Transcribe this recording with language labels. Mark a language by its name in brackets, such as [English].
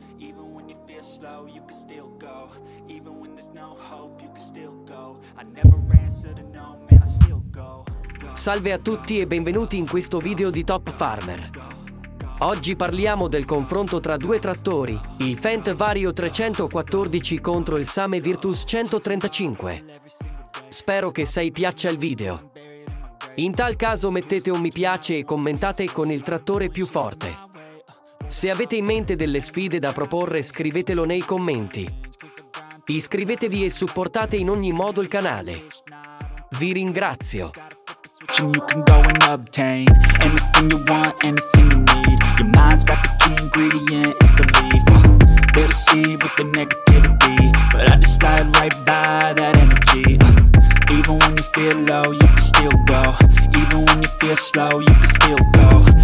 [English] Even when you feel slow, you can still go. Even when there's no hope, you can still go. I never answer to no, man, I still go. [Italian] Salve a tutti e benvenuti in questo video di Top Farmer. Oggi parliamo del confronto tra due trattori, il Fendt Vario 314 contro il Same Virtus 135. Spero che sei piaccia il video. In tal caso mettete un mi piace e commentate con il trattore più forte. Se avete in mente delle sfide da proporre, scrivetelo nei commenti. Iscrivetevi e supportate in ogni modo il canale. Vi ringrazio. [English] You can go and obtain anything you want, anything you need. Your mind's got the key ingredient, it's belief. Better see with the negativity, but I just slide right by that energy. Even when you feel low, you can still go. Even when you feel slow, you can still go.